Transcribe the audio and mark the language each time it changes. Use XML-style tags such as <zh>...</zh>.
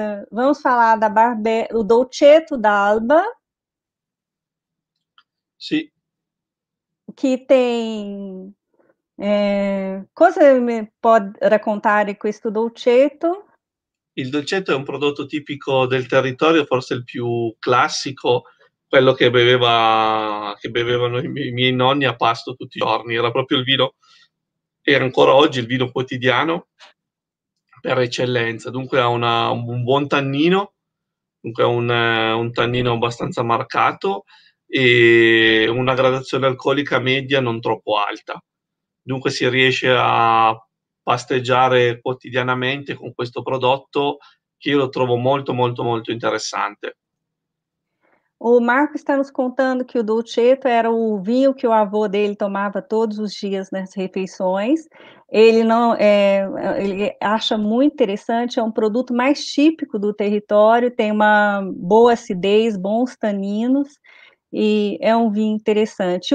<pt>Vamos falar da o Dolcetto d'Alba.</pt> <it>Sì. Che tem cosa mi può raccontare questo dolcetto? Il Dolcetto è un prodotto tipico del territorio, forse il più classico, quello che bevevano i miei nonni a pasto tutti i giorni. Era proprio il vino, e ancora oggi il vino quotidiano per eccellenza. Dunque ha un buon tannino, dunque ha un tannino abbastanza marcato, e una gradazione alcolica media non troppo alta. Dunque si riesce a pasteggiare quotidianamente con questo prodotto, che io lo trovo molto molto molto interessante.</it> <pt>O Marco está nos contando que o Dolcetto era o vinho que o avô dele tomava todos os dias nas refeições. Ele não é, ele acha muito interessante, é um produto mais típico do território, tem uma boa acidez, bons taninos e é um vinho interessante.</pt>